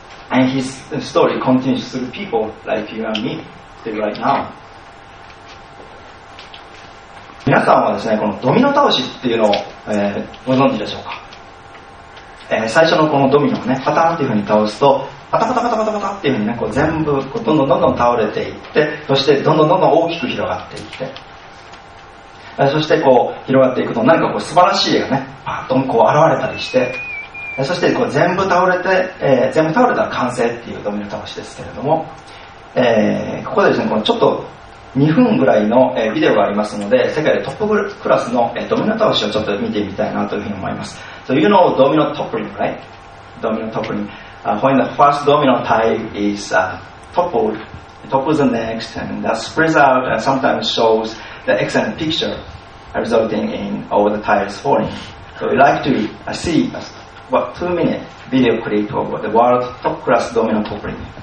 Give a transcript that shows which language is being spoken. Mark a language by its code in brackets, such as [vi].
[en] And his story continues through people like you and me, still right now. [ja] 皆さんはですね、このドミノ倒しっていうのを、ご存知でしょうか。最初のこのドミノをね、パタンっていうふうに倒すと、パタパタパタパタパタっていうふうにね、こう全部こうどんどんどんどん倒れていって、そしてどんどんどんどん大きく広がっていって、そしてこう広がっていくと何かこう素晴らしい絵がね、パッとこう現れたりして。そしてこう全部倒れて、全部倒れたら完成っていうドミノ倒しですけれども、ここでですね、このちょっと2分ぐらいの、ビデオがありますので、世界でトップクラスの、ドミノ倒しをちょっと見てみたいなというふうに思います。 [en] So you know Domino toppling, right? Domino toppling. When the first domino tile is toppled, it topples the next and that spreads out and sometimes shows the excellent picture resulting in all the tiles falling. So we like to see a about 2 minute video clip of the world top class domino toppling.